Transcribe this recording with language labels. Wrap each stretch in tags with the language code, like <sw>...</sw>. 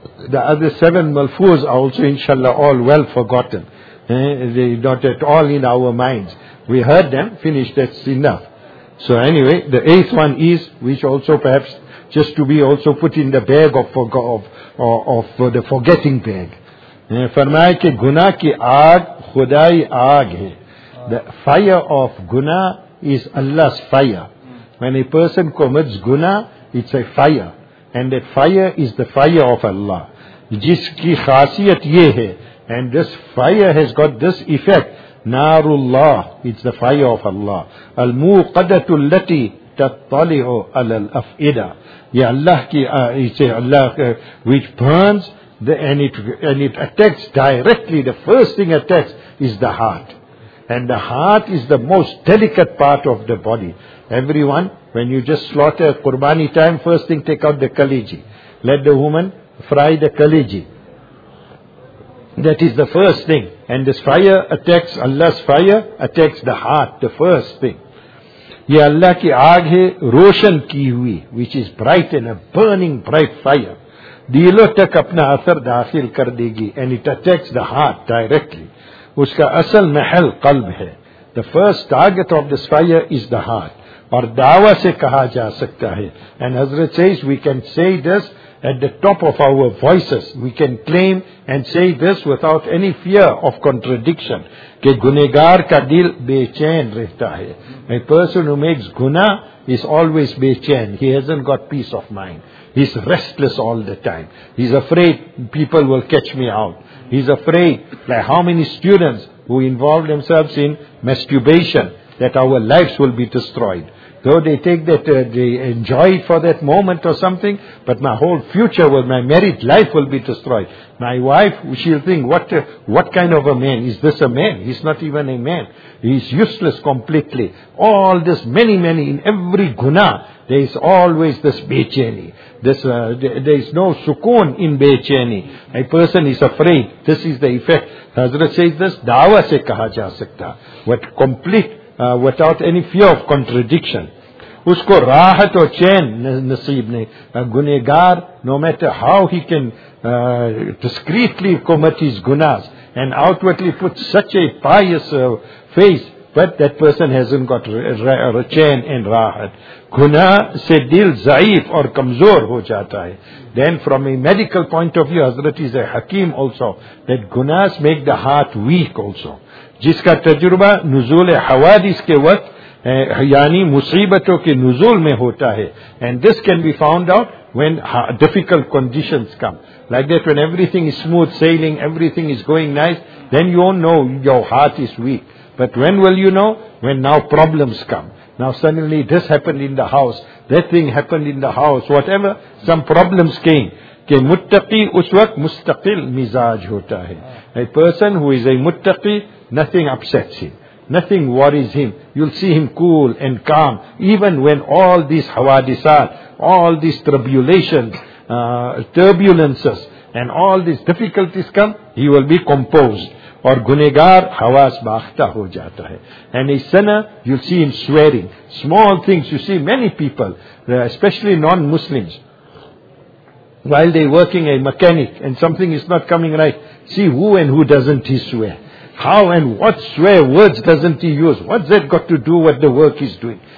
<en>The other 7 malfuz are also, inshallah, all well forgotten. They are not at all in our minds. We heard them, finished, that's enough. So anyway, the 8th one is, which also perhaps just to be also put in the bag of the forgetting bag.</en> <ur>فرمایا کہ گناہ کی آگ خدائی آگ ہے.</ur> <en>The fire of guna is Allah's fire. When a person commits guna, it's a fire. And that fire is the fire of Allah.</en> <ur>جس کی خاصیت یہ ہے.</ur> <en>And this fire has got this effect.</en> <ar>نار اللہ,</ar> <en>it's the fire of Allah.</en> <ar>الموقدت التي تطلع على الافئدہ.</ar> <en>Yeah, Allah ki, which burns and it attacks directly. The first thing attacks is the heart, and the heart is the most delicate part of the body. Everyone, when you just slaughter qurbani time, first thing take out the kaleji, let the woman fry the kaleji. That is the first thing, and this fire attacks, Allah's fire attacks the heart, the first thing.</en> <ur>یہ اللہ کی آگ ہے روشن کی ہوئی,</ur> <en>which is bright and a burning bright fire.</en> <ur>دلوں تک اپنا اثر داخل کر دے گی,</ur> <en>and it attacks the heart directly.</en> <ur>اس کا اصل محل قلب ہے.</ur> <en>The first target of this fire is the heart.</en> <ur>اور دعویٰ سے کہا جا سکتا ہے.</ur> <en>And Hazrat says, we can say this at the top of our voices. We can claim and say this without any fear of contradiction.</en> <ur>کہ گنہگار کا دل بے چین رہتا ہے.</ur> <en>A person who makes guna is always بے چین. He hasn't got peace of mind. He's restless all the time. He's afraid people will catch me out. He's afraid, like how many students who involve themselves in masturbation, that our lives will be destroyed. Though they take that, they enjoy it for that moment or something, but my whole future, my married life will be destroyed. My wife, she'll think, what kind of a man? Is this a man? He's not even a man. He's useless completely. All this, many, many, in every guna, there is always this becheni. There is no sukoon in becheni. A person is afraid. This is the effect. Hazrat says this,</en> <ur>dawa se kaha ja sakta.</ur> <en>What complete, without any fear of contradiction.</en> <ur>اس کو راحت اور چین نصیب نہیں.</ur> <en>گنہگار, no matter how he can discreetly commit his gunas and outwardly put such a pious face, but that person hasn't got chain and راحت.</en> <ur>گناہ سے دل ضعیف اور کمزور ہو جاتا ہے.</ur> <en>Then from a medical point of view, Hazrat is a حکیم also, that gunas make the heart weak also.</en> <ur>جس کا تجربہ نزول حوادث کے وقت, یعنی مصیبتوں کے نزول میں ہوتا ہے.</ur> <en>And this can be found out when difficult conditions come. Like that, when everything is smooth sailing, everything is going nice, then you won't know your heart is weak. But when will you know? When now problems come. Now suddenly this happened in the house, that thing happened in the house, whatever, some problems came.</en> <ur>کہ متقی اس وقت مستقل مزاج ہوتا ہے.</ur> <en>A person who is a متقی, nothing upsets him, nothing worries him. You'll see him cool and calm, even when all these hawadisat, all these tribulations, turbulences, and all these difficulties come, he will be composed.</en> <ur>اور گنہگار حواس باختہ ہو جاتا ہے.</ur> <en>And a sinner, you'll see him swearing. Small things, you see many people, especially non-Muslims, while they're working a mechanic and something is not coming right, see who and who doesn't he swear. How and what swear words doesn't he use? What's that got to do with the work he's doing?</en>